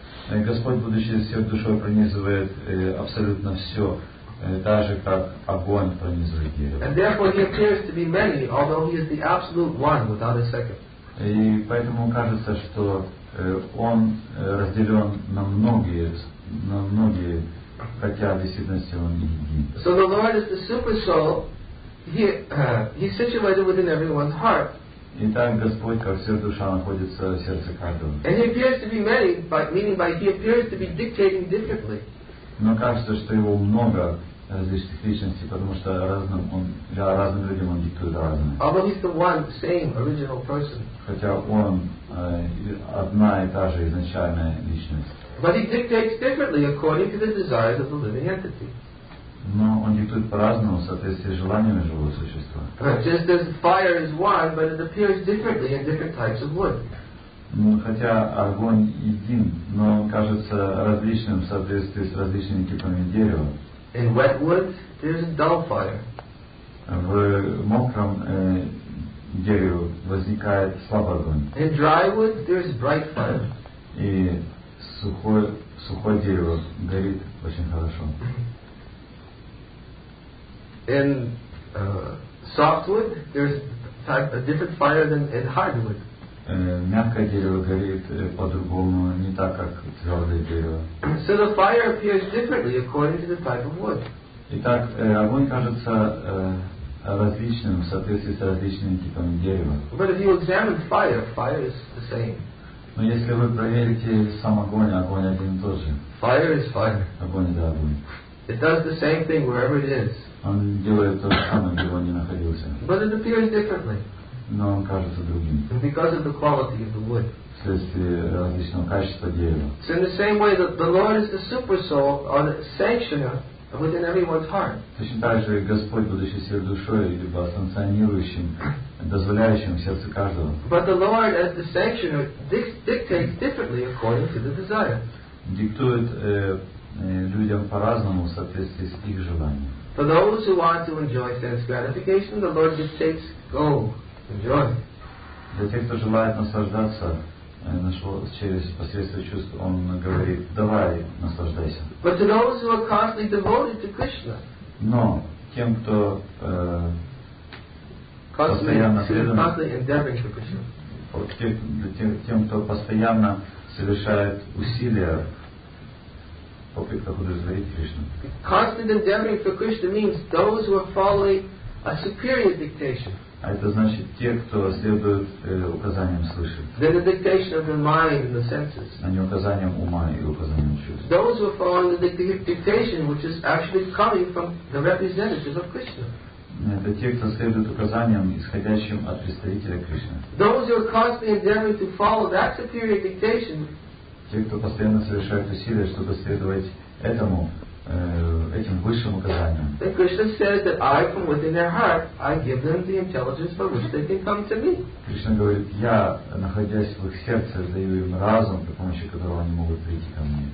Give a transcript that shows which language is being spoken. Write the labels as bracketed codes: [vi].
[ru] Господь, будучи сверхдушой, пронизывает абсолютно все, так же как огонь пронизывает дерево. [en] And therefore he appears to be many, although he is the absolute one without a second. [ru] И поэтому кажется, что он разделен на многие, хотя в действительности он не един. [en] So the Lord is the super soul. He's situated within everyone's heart. [ru] И так Господь, как вся душа, находится в сердце каждого. [en] And he appears to be many, meaning by he appears to be dictating differently. [ru] Но кажется, что его много различных личностей, потому что разным людям он диктует разное. [en] Although he's the one, same, original person. [ru] Хотя он одна и та же изначальная личность. [en] But he dictates differently according to the desires of the living entity. [ru] Но он диктует по-разному, в соответствии с желаниями живого существа. [en] Just as fire is one, but it appears differently in different types of wood. [ru] Ну, хотя огонь един, но он кажется различным в соответствии с различными типами дерева. [en] In wet wood, there's a dull fire. [ru] В мокром дереве возникает слабый огонь. [en] In dry wood, there's bright fire. [ru] И сухое дерево горит очень хорошо. [en] In softwood, there's a different fire than in hardwood. [ru] Мягкое дерево горит по-другому, не так, как твердое дерево. [en] So the fire appears differently according to the type of wood. [ru] Итак, огонь кажется различным в соответствии с различными типами дерева. [en] But if you examine fire, fire is the same. [ru] Но если вы проверите сам огонь один и тот же. [en] Fire is fire. [ru] Огонь — это огонь. [en] It does the same thing wherever it is. [ru] Он делает то же самое, где он не находился. [en] But it appears differently. [ru] Но он кажется другим. [en] Because of the quality of the wood. [ru] Вследствие различного качества дерева. [en] So in the same way that the Lord is the super soul or the sanctioner within everyone's heart. [ru] Точно так же Господь, будучи всей душой, либо санкционирующим, дозволяющим в сердце каждого. [en] But the Lord as the sanctioner dictates differently according to the desire. [ru] Диктует людям по-разному в соответствии с их желанием. [en] For those who want to enjoy sense gratification, the Lord just takes go. [ru] Для тех, кто желает наслаждаться через посредство чувств, он говорит: давай, наслаждайся. [en] But to those who are constantly devoted to Krishna. [ru] Но тем, кто постоянно совершает усилия попытках удовлетворить Кришну. [en] Constant endeavoring for Krishna means those who are following a superior dictation. [ru] А это значит те, кто следует указаниям свыше. [en] Then the dictation of the mind and the senses. [ru] А не указаниям ума и указаниям чувств. [en] Those who follow the dictation, which is actually coming from the representatives of Krishna. [ru] Это те, кто следует указаниям, исходящим от представителя Кришны. [en] Those who are constantly endeavoring to follow that superior dictation. [ru] Те, кто постоянно совершает усилия, чтобы следовать этому. Этим высшим указанием. [en] Then Krishna says that I, from within their heart, I give them the intelligence by which they can come to me. [ru] Кришна говорит: я, находясь в их сердце, даю им разум, при помощи которого они могут прийти ко мне.